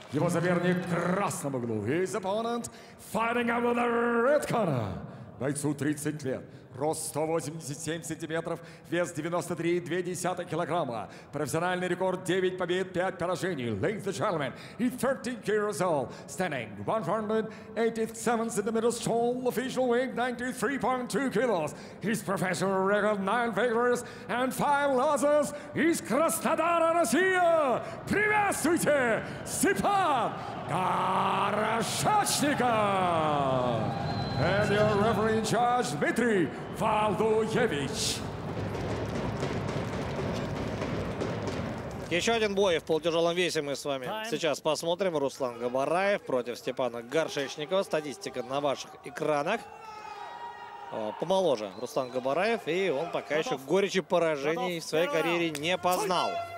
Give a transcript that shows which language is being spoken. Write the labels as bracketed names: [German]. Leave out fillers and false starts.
[Russian] Его соперник в красном углу, [English] his opponent, fighting out of the red corner. [Russian] Бойцу 30 лет, рост 187 сантиметров, вес 93,2 килограмма. Профессиональный рекорд 9 побед, 5 поражений. [English] Ladies and gentlemen, he's 13 years old, standing 187 centimeters tall, official weight 93.2 kilos. His professional record 9 victories and 5 losses. [Russian] Из Краснодара, Россия, приветствуйте Степан Горошечников! [English] And your referee in charge, Дмитрий Валуевич. [Russian] Еще один бой в полутяжелом весе мы с вами сейчас посмотрим. Руслан Габараев против Степана Горшечникова. Статистика на ваших экранах. Помоложе Руслан Габараев, и он пока еще горечи поражений в своей карьере не познал.